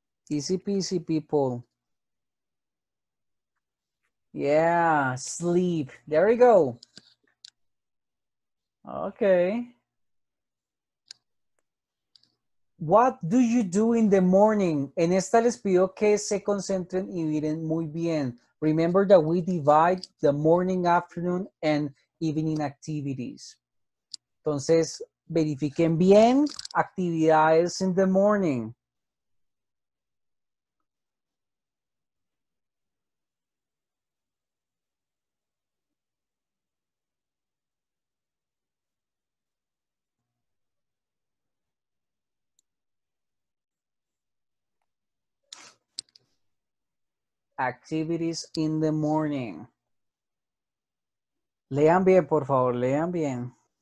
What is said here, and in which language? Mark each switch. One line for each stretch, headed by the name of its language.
English: Easy peasy, people. Yeah, sleep. There we go. Okay. What do you do in the morning?
Spanish: En esta les pido que se concentren y miren muy bien.
English: Remember that we divide the morning, afternoon, and evening activities.
Spanish: Entonces, verifiquen bien actividades
English: in the morning. Activities in the morning.
Spanish: Lean bien, por favor, lean bien.